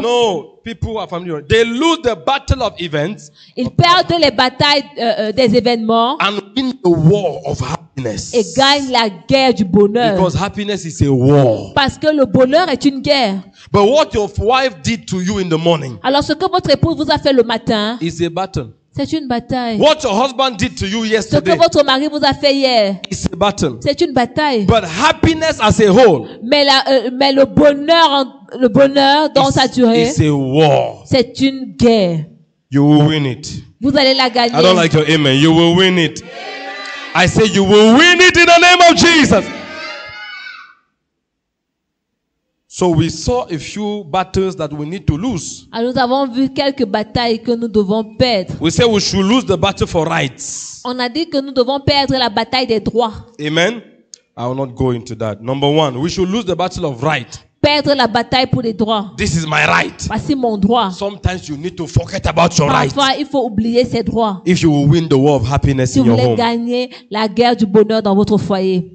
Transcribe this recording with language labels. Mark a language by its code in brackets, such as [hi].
[en] No, people are familiar. They lose the battle of events. [fr] Ils perdent les batailles des événements. [en] And win the war of happiness. [fr] Et gagnent la guerre du bonheur. [en] Because happiness is a war. [fr] Parce que le bonheur est une guerre. [en] But what your wife did to you in the morning? [fr] Alors ce que votre épouse vous a fait le matin. [en] Is a battle. [fr] C'est une bataille. [en] What your husband did to you yesterday. [fr] Ce que votre mari vous a fait hier. [en] It's a battle. [fr] C'est une bataille. [en] But happiness as a whole. [fr] Mais le bonheur dans sa durée. [en] It's a war. [fr] C'est une guerre. [en] You will win it. [fr] Vous allez la gagner. [en] I don't like your amen. You will win it. Amen. I say you will win it in the name of Jesus. So we saw a few battles that we need to lose. [fr] Alors nous avons vu quelques batailles que nous devons perdre. [en] We said we should lose the battle for rights. [fr] On a dit que nous devons perdre la bataille des droits. [en] Amen. I will not go into that. Number one, we should lose the battle of right. [fr] Perdre la bataille pour les droits. [en] This is my right. [fr] Voici mon droit. [en] Sometimes you need to forget about your [fr] rights. Parfois, il faut oublier ses droits. [en] If you will win the war of happiness [fr] si [en] in your home. [fr] Si vous voulez gagner la guerre du bonheur dans votre foyer.